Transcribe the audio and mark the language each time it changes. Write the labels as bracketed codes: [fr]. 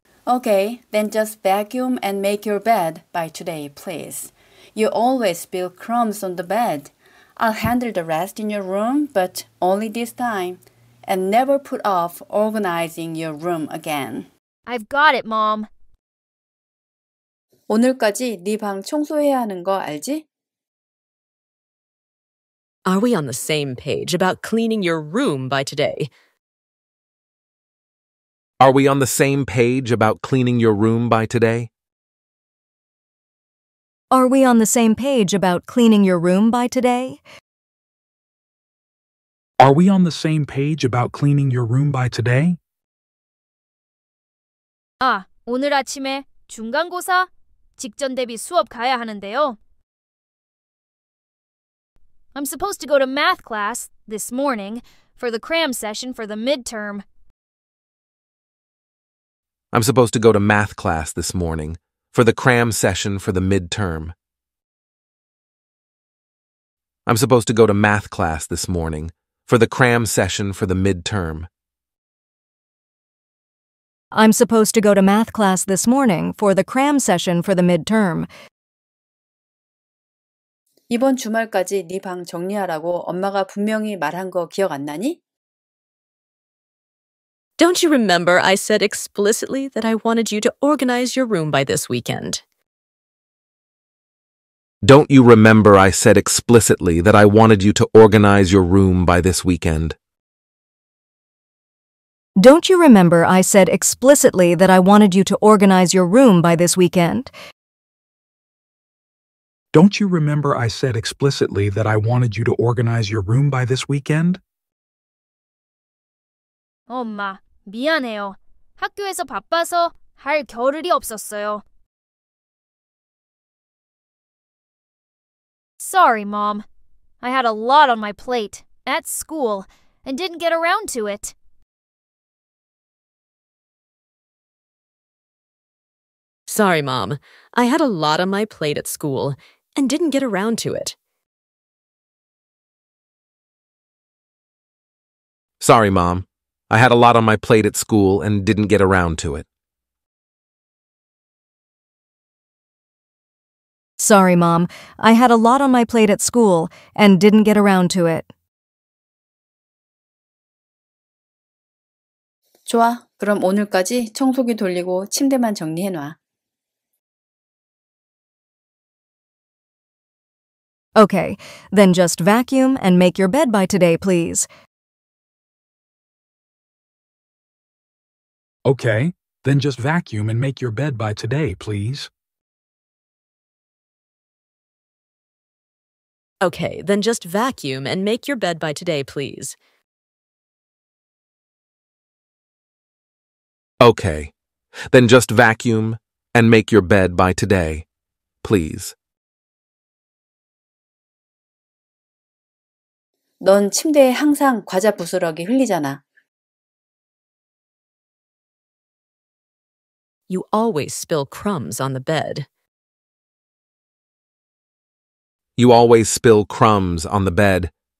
[en] Okay, then just vacuum and make your bed by today, please. You always spill crumbs on the bed. I'll handle the rest in your room, but only this time. And never put off organizing your room again. I've got it, Mom. [ko] 오늘까지 네 방 청소해야 하는 거 알지? [en] Are we on the same page about cleaning your room by today? Are we on the same page about cleaning your room by today? Are we on the same page about cleaning your room by today? Are we on the same page about cleaning your room by today? [ko] 아, 오늘 아침에 중간고사 직전 대비 수업 가야 하는데요. [en] I'm supposed to go to math class this morning for the cram session for the midterm. I'm supposed to go to math class this morning for the cram session for the midterm. I'm supposed to go to math class this morning for the cram session for the midterm. I'm supposed to go to math class this morning for the cram session for the midterm. [ko] 이번 주말까지 네 방 정리하라고 엄마가 분명히 말한 거 기억 안 나니? [en] Don't you remember I said explicitly that I wanted you to organize your room by this weekend? Don't you remember I said explicitly that I wanted you to organize your room by this weekend? Don't you remember I said explicitly that I wanted you to organize your room by this weekend? Don't you remember I said explicitly that I wanted you to organize your room by this weekend? [ko] 엄마, 미안해요. 학교에서 바빠서 할 겨를이 없었어요. [en] Sorry, Mom. I had a lot on my plate at school and didn't get around to it. Sorry, Mom. I had a lot on my plate at school and didn't get around to it. Sorry, Mom. I had a lot on my plate at school and didn't get around to it. Sorry, Mom. I had a lot on my plate at school and didn't get around to it. [ko] 좋아. 그럼 오늘까지 청소기 돌리고 침대만 정리해놔. [en] Okay, then just vacuum and make your bed by today, please. Okay, then just vacuum and make your bed by today, please. Okay, then just vacuum and make your bed by today, please. Okay, then just vacuum and make your bed by today, please. [ko] 넌 침대에 항상 과자 부스러기 흘리잖아. [en] You always spill crumbs on the bed. You always spill crumbs on the bed.